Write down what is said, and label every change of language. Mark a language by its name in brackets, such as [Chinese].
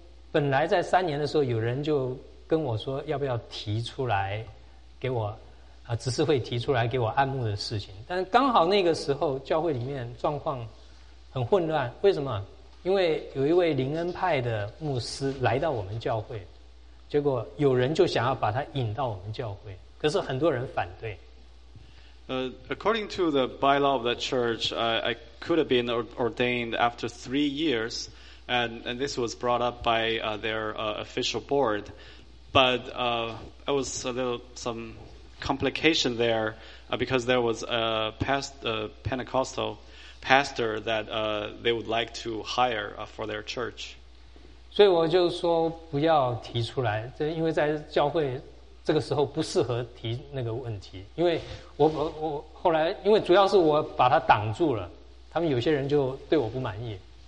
[Chinese] 本来在三年的时候有人就跟我说要不要提出来给我啊，执事会提出来给我按牧的事情但刚好那个时候教会里面状况很混乱为什么因为有一位灵恩派的牧师来到我们教会结果有人就想要把他引到我们教会可是很多人反对 [English] According to the bylaw of the church I could have been ordained after 3 years and this was brought up by their official board but I was a little some complication there because there was a past Pentecostal pastor that they would like to hire for their church. [Chinese] 所以我就说不要提出来，这因为在教会这个时候不适合提那个问题，因为我后来因为主要是我把他挡住了，他们有些人就对我不满意。